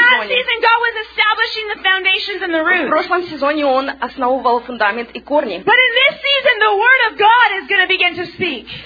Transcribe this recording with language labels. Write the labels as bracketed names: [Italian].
[English] in that season, God was establishing the foundations and the roots. [Russian] В прошлом сезоне Он основывал фундамент и корни. [English] But in this season, the word of God is going to begin to speak.